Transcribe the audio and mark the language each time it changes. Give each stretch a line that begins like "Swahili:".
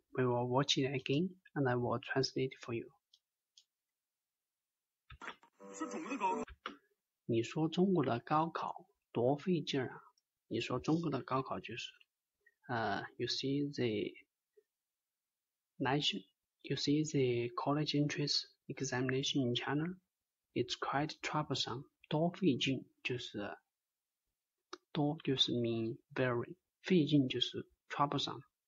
English: We will watch it again, and I will translate for you.
Chinese: 说中国的高考。你说中国的高考多费劲啊！你说中国的高考就是
English: you see the college entrance examination in China, it's quite troublesome.
Chinese: 多费劲就是多就是
English: mean very,
Chinese: 费劲就是 troublesome.